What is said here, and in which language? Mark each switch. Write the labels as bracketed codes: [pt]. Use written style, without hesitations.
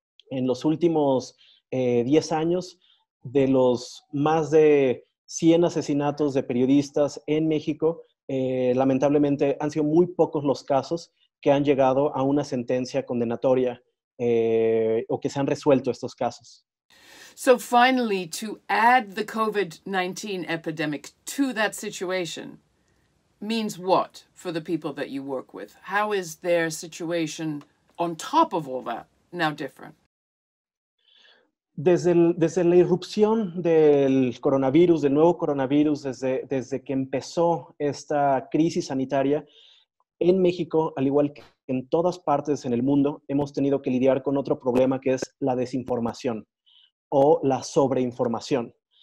[es] En los últimos 10 años, de los más de 100 asesinatos de periodistas en México, lamentablemente han sido muy pocos los casos que han llegado a una sentencia condenatoria o que se han resuelto estos casos. [en] So finally, to add the COVID-19 epidemic to that situation means what for the people that you work with? How is their situation on top of all that now different? [es] Desde la irrupción del coronavirus, del nuevo coronavirus, desde que empezó esta crisis sanitaria, en México, al igual que en todas partes en el mundo, hemos tenido que lidiar con otro problema que es la desinformación o la sobreinformación.